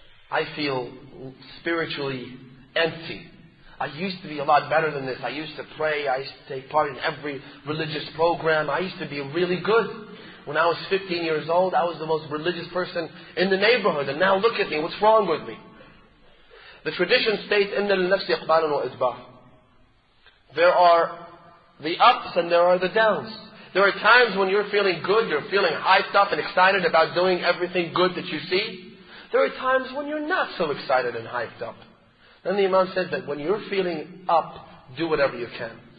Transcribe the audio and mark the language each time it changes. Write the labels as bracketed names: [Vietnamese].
[English] I feel spiritually empty. I used to be a lot better than this. I used to pray. I used to take part in every religious program. I used to be really good. When I was 15 years old, I was the most religious person in the neighborhood. And now look at me. What's wrong with me? The tradition states, [Arabic] إِنَّ لِلنَّفْسِ أَقْبَالٌ وَإِذْبَارٌ. [English] There are the ups and there are the downs. There are times when you're feeling good, you're feeling hyped up and excited about doing everything good that you see. There are times when you're not so excited and hyped up. Then the Imam says that when you're feeling up, do whatever you can.